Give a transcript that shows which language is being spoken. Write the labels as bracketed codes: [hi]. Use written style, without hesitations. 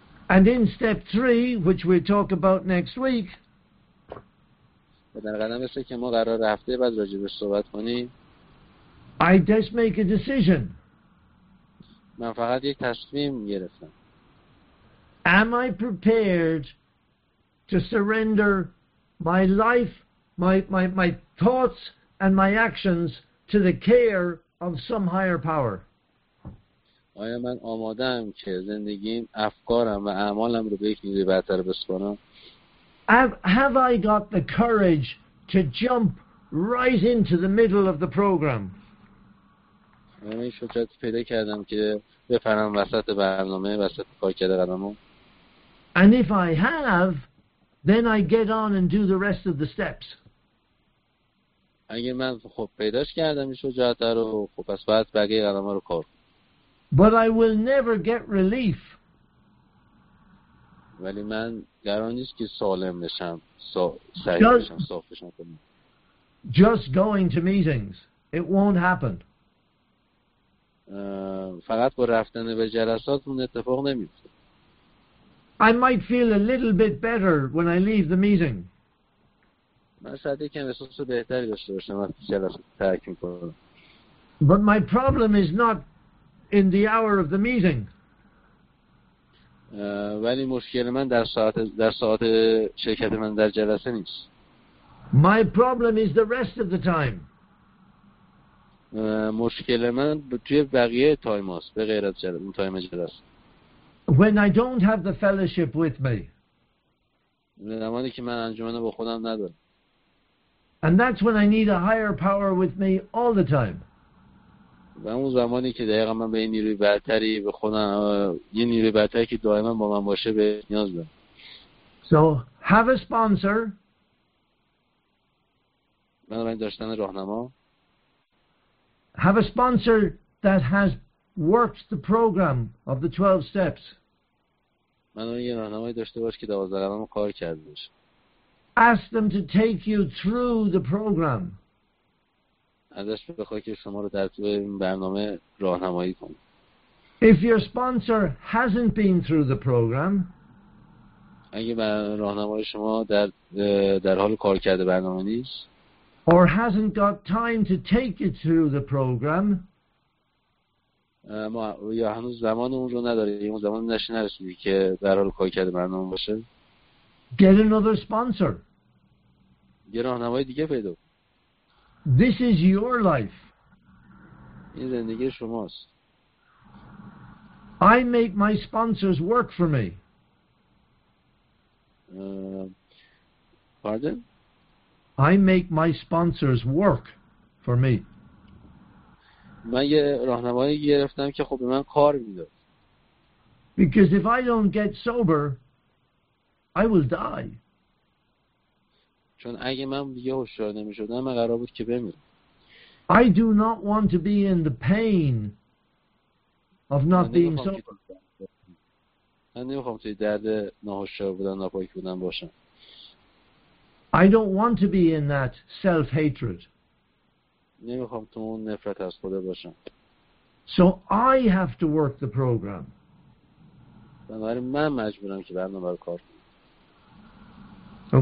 [en] And in step 3, which we talk about next week. [fa] در قدم سه که ما قرار هفته بعد راجع بهش صحبت کنیم. [en] I just make a decision. [fa] من فقط یک تصمیم گرفتم. [en] Am I prepared to surrender my life, my thoughts and my actions to the care of some higher power? [fa] آیا من آمادم که زندگیم، افکارم و اعمالم رو به یک نیروی برتر بسپارم؟ [en] Have I got the courage to jump right into the middle of the program? [fa] من این شجاعت پیدا کردم که بپرم وسط برنامه، وسط کار کرده قدمو. [en] And if I have, then I get on and do the rest of the steps. [fa] اگه من خوب پیداش کردم این شجاعت رو، خب پس باید بقیه قدم‌ها رو کار. [en] But I will never get relief. [fa] ولی من قرار نیست که سالم بشم، سعی بشم صاف بشم. [en] Just going to meetings, it won't happen. [fa] فقط با رفتن به جلسات اون اتفاق نمیفته. [en] I might feel a little bit better when I leave the meeting. [fa] من شاید یکم احساس بهتری داشته باشم وقتی جلسه رو ترک می‌کنم. [en] But my problem is not in the hour of the meeting. [fa] ولی مشکل من در ساعت شرکت من در جلسه نیست. [en] My problem is the rest of the time. [fa] مشکل من توی بقیه تایم هاست به غیر از اون تایم جلسه. [en] When I don't have the fellowship with me. [fa] زمانی که من انجمن با خودم ندارم. [en] And that's when I need a higher power with me all the time. [fa] و اون زمانی که دقیقا من به این نیروی برتری به خودم یه نیروی برتری که دائما با من باشه به نیاز دارم. [en] So have a sponsor. [fa] من برای داشتن راهنما. [en] Have a sponsor that has worked the program of the 12 steps. [fa] من یه راهنمایی داشته باش که 12 قدم رو کار کرده باشه. [en] Ask them to take you through the program. [fa] ازش بخوای که شما رو در طول این برنامه راهنمایی کنه. [en] If your sponsor hasn't been through the program, [fa] اگه راهنمای شما در حال کار کرده برنامه نیست, [en] or hasn't got time to take you through the program, [fa] یا هنوز زمان اون رو نداره، یا اون زمان نشینه که در حال کار کرده برنامه باشه. [en] Get another sponsor. [fa] یه راهنمای دیگه پیدا کن. [en] This is your life. [fa] این زندگی شماست. [en] I make my sponsors work for me. Pardon? I make my sponsors work for me. [fa] من یه راهنمایی گرفتم که خب به من کار میداد. [en] Because if I don't get sober, I will die. [fa] چون اگه من دیگه هوشیار نمی‌شدم من قرار بود که بمیرم. [en] I do not want to be in the pain of not being sober. [fa] من نمی‌خوام توی درد ناهوشیار بودن ناپاک بودن باشم. [en] I don't want to be in that self-hatred. [fa] نمی‌خوام تو اون نفرت از خودم باشم. [en] So I have to work the program. [fa] برای من مجبورم که برنامه رو کار کنم.